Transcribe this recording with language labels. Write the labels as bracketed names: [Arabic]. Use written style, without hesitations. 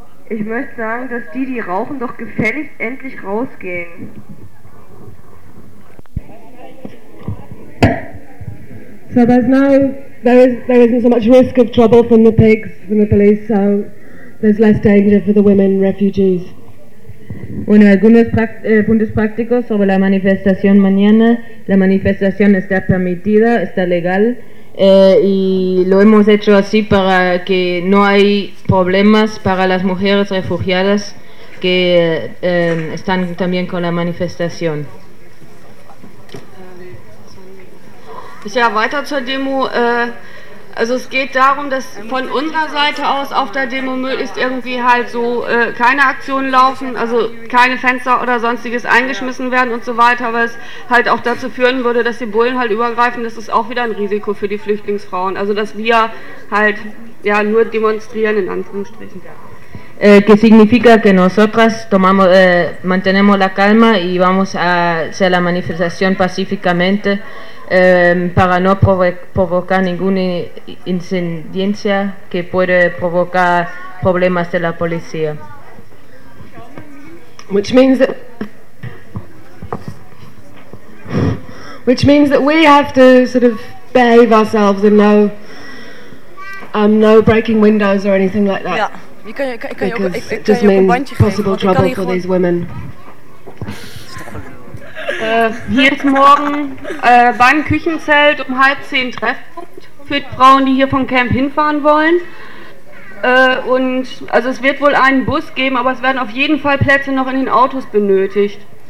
[German] Ich möchte sagen, dass die rauchen, doch gefälligst endlich rausgehen. [English] So there's no, there isn't so much risk of trouble from the pigs, from the police, so there's less danger for the women refugees. [Spanish] Bueno, algunos puntos prácticos sobre la manifestación mañana. La manifestación está permitida, está legal, y lo hemos hecho así para que no hay problemas para las mujeres refugiadas que están también con la manifestación. [German] Ja, weiter zur Demo. Also es geht darum, dass von unserer Seite aus auf der Demo möglichst irgendwie halt so keine Aktionen laufen, also keine Fenster oder sonstiges eingeschmissen werden und so weiter, weil es halt auch dazu führen würde, dass die Bullen halt übergreifen. Das ist auch wieder ein Risiko für die Flüchtlingsfrauen. Also dass wir halt ja nur demonstrieren, in Anführungsstrichen. [Spanish] Que significa que nosotras tomamos, mantenemos la calma y vamos a hacer la manifestación pacíficamente. Para no provocar ninguna incidencia que puede provocar problemas de la policía. [English] Which means that we have to sort of behave ourselves and no breaking windows or anything like that. Yeah. Because it just means possible trouble for these women. [German] Hier ist morgen beim Küchenzelt um 9:30 Treffpunkt für Frauen, die hier vom Camp hinfahren wollen. Und also es wird wohl einen Bus geben, aber es werden auf jeden Fall Plätze noch in den Autos benötigt.